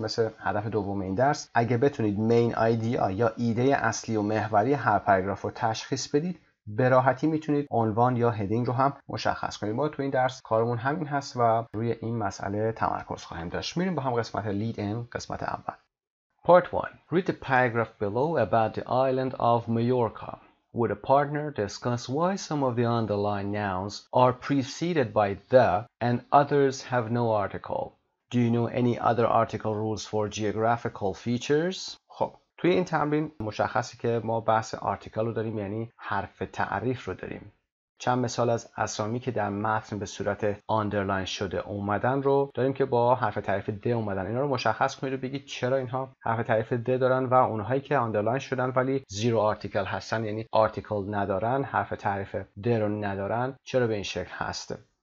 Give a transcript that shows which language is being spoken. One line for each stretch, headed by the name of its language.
Persian: مثل هدف دوم این درس، اگه بتونید مین ایده یا ایده اصلی و محوری هر پاراگراف رو تشخیص بدید، به راحتی میتونید عنوان یا هدینگ رو هم مشخص کنید. ما تو این درس کارمون همین هست و روی این مسئله تمرکز خواهیم داشت. میریم با هم قسمت لید ان، قسمت اول.
English: Part 1. Read the paragraph below about the island of Majorca. With a partner, discuss why some of the underlined nouns are preceded by the and others have no article. Do you know any other article rules for geographical features?
Persian: خب، توی این تمرین مشخصه که ما بحث آرتیکل رو داریم، یعنی حرف تعریف رو داریم. چند مثال از اسامی که در متن به صورت آندرلاین شده اومدن رو داریم که با حرف تعریف د اومدن. اینا رو مشخص کنید و بگید چرا اینها حرف تعریف د دارن و اونهایی که آندرلاین شدن ولی زیرو آرتیکل هستن، یعنی آرتیکل ندارن، حرف تعریف د رو ندارن، چرا به این شکل هست.